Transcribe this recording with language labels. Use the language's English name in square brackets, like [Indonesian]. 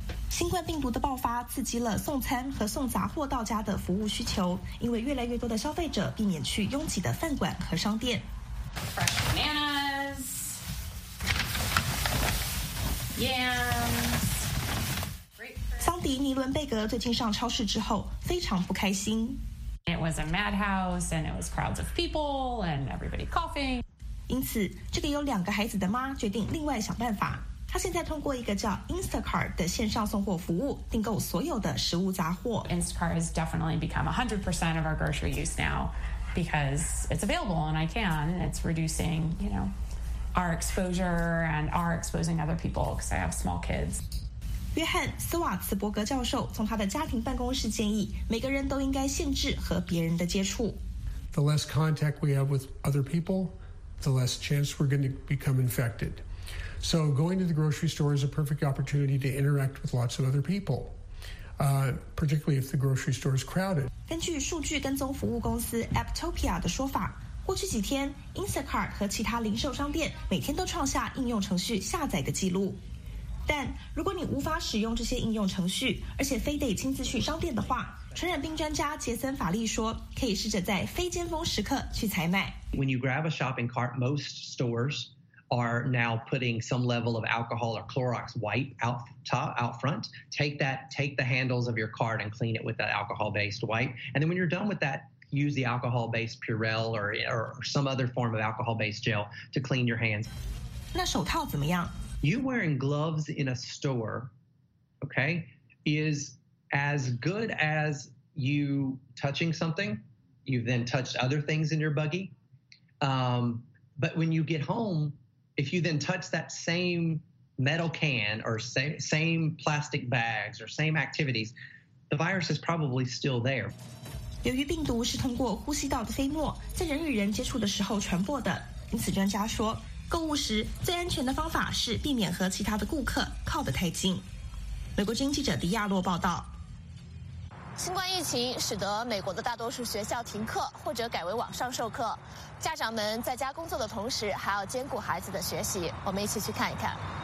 [Chinese] 新冠病毒的爆发刺激了送餐和送杂货到家的服务需求，因为越来越多的消费者避免去拥挤的饭馆和商店。 [English] Fresh bananas, yams. [Chinese] 桑迪尼伦贝格最近上超市之后非常不开心。 [English] It was a madhouse, and it was crowds of people, and everybody coughing. [Chinese] 因此，这个有两个孩子的妈决定另外想办法。她现在通过一个叫 Instacart 的线上送货服务订购所有的食物杂货。 [English] Instacart has definitely become 100% of our grocery use now because it's available and I can. It's reducing, you know, our exposure and our exposing other people because I have small kids. [Chinese] 约翰·斯瓦茨伯格教授从他的家庭办公室建议，每个人都应该限制和别人的接触。 [English] The less contact we have with other people, the less chance we're going to become infected. So going to the grocery store is a perfect opportunity to interact with lots of other people, particularly if the grocery store is crowded. [Chinese] 根据数据跟踪服务公司 Aptopia 的说法，过去几天 ，Instacart 和其他零售商店每天都创下应用程序下载的记录。但如果你无法使用这些应用程序，而且非得亲自去商店的话，传染病专家杰森·法利说，可以试着在非尖峰时刻去采买。 [English] When you grab a shopping cart, most stores are now putting some level of alcohol or Clorox wipe out front. Take the handles of your cart and clean it with that alcohol-based wipe. And then when you're done with that, use the alcohol-based Purell or some other form of alcohol-based gel to clean your hands. [Chinese] 那手套怎么样？ [English] You wearing gloves in a store, okay, is as good as you touching something. You've then touched other things in your buggy. But when you get home, if you then touch that same metal can or same plastic bags or same activities, the virus is probably still there. [Chinese] 由于病毒是通过呼吸道的飞沫在人与人接触的时候传播的，因此专家说，购物时最安全的方法是避免和其他的顾客靠得太近。美国之音记者迪亚洛报道。新冠疫情使得美国的大多数学校停课或者改为网上授课，家长们在家工作的同时还要兼顾孩子的学习，我们一起去看一看。